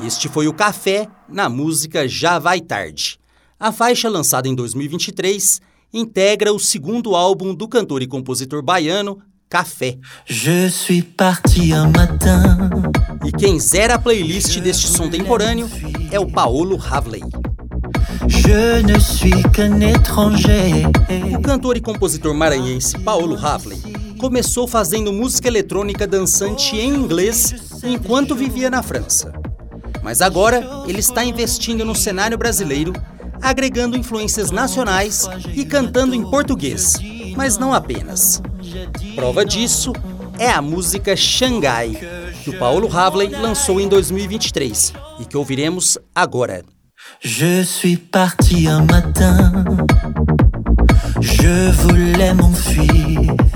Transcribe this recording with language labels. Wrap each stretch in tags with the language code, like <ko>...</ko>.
<pt>foi o Café, na música Já Vai Tarde. A faixa, lançada em 2023, integra o segundo álbum do cantor e compositor baiano, Café.</pt> <fr>Je suis parti un matin.</fr> <pt>E quem zera a playlist deste som temporâneo é o Paolo Havley.</pt> <fr>Je ne suis qu'un étranger.</fr> <pt>O cantor e compositor maranhense Paolo Havley começou fazendo música eletrônica dançante em inglês enquanto vivia na França. Mas agora ele está investindo no cenário brasileiro, agregando influências nacionais e cantando em português, mas não apenas. Prova disso é a música Xangai, que o Paolo Havley lançou em 2023 e que ouviremos agora.</pt> <fr>Je suis parti un matin, je voulais m'enfuir.</fr>